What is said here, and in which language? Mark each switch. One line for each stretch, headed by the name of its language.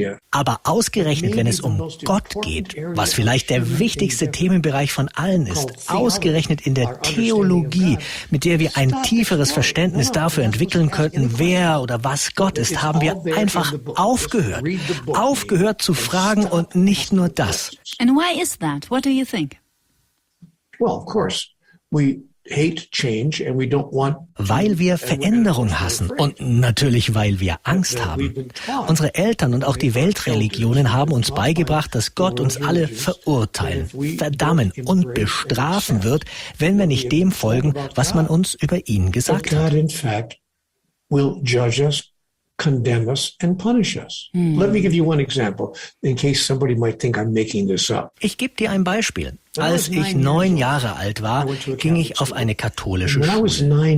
German: Aber ausgerechnet, wenn es um Gott geht, was vielleicht der wichtigste Themenbereich von allen ist, ausgerechnet in der Theologie, mit der wir ein tieferes Verständnis dafür entwickeln könnten, wer oder was Gott ist, haben wir einfach aufgehört. Aufgehört zu fragen und nicht nur das.
English: And why is that? What do you think? Well, of course, we hate change and we don't want.
German: Weil wir Veränderung hassen und natürlich, weil wir Angst haben. Unsere Eltern und auch die Weltreligionen haben uns beigebracht, dass Gott uns alle verurteilen, verdammen und bestrafen wird, wenn wir nicht dem folgen, was man uns über ihn gesagt hat.
English: In fact will judge us, condemn us and punish us. Let me give you one example, in case somebody might think I'm making this up.
German: Ich gebe dir ein Beispiel. Als ich 9 Jahre alt war, ging ich auf eine katholische Schule.